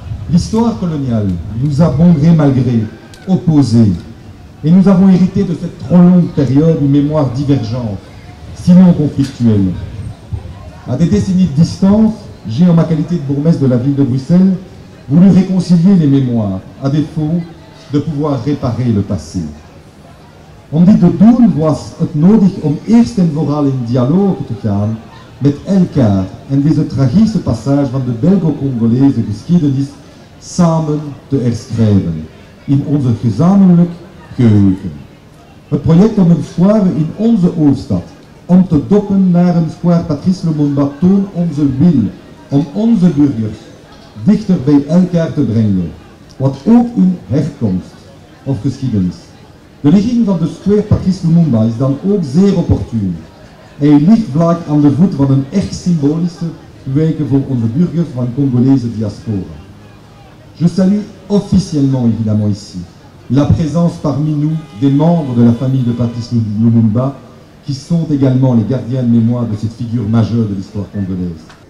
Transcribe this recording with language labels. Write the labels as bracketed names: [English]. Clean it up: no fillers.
[French] L'histoire coloniale nous a bon gré mal gré opposés, et nous avons hérité de cette trop longue période une mémoire divergente, sinon conflictuelle. À des décennies de distance, j'ai, en ma qualité de bourgmestre de la ville de Bruxelles, voulu réconcilier les mémoires, à défaut de pouvoir réparer le passé. [Dutch] On dit de doen was het nodig om eerst en vooral in dialoog te gaan met elkaar en deze tragische passage van de Belgo-Congolese geschiedenis samen te herschrijven in onze gezamenlijk geheugen. Het project om een square in onze hoofdstad om te doppen naar een square Patrice Lumumba toont onze wil om onze burgers dichter bij elkaar te brengen, wat ook hun herkomst of geschiedenis. De ligging van de square Patrice Lumumba is dan ook zeer opportun. Hij ligt vlak aan de voet van een erg symbolische wijken voor onze burgers van Congolese diaspora. [French] Je salue officiellement évidemment ici la présence parmi nous des membres de la famille de Patrice Lumumba qui sont également les gardiens de mémoire de cette figure majeure de l'histoire congolaise.